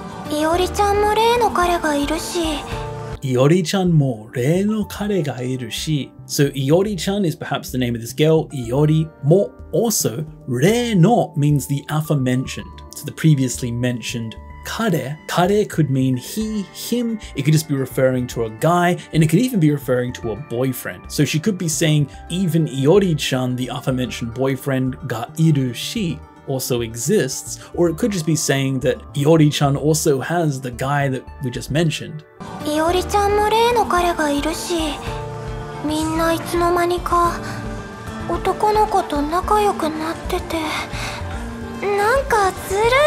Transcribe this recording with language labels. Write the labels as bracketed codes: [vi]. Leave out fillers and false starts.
[ja] イオリちゃんも例の彼がいるし。イオリちゃんも例の彼がいるし。 [en] So, Iori-chan is perhaps the name of this girl. Iori mo also. Re no means the aforementioned. So the previously mentioned kare. Kare could mean he, him. It could just be referring to a guy, and it could even be referring to a boyfriend. So she could be saying, even Iori-chan, the aforementioned boyfriend, [ja] ga iru shi. [en] Also exists, or it could just be saying that Iori-chan also has the guy that we just mentioned. [ja] Iori-chan も例の彼がいるし、みんないつの間にか男の子と仲良くなってて、なんかずるい。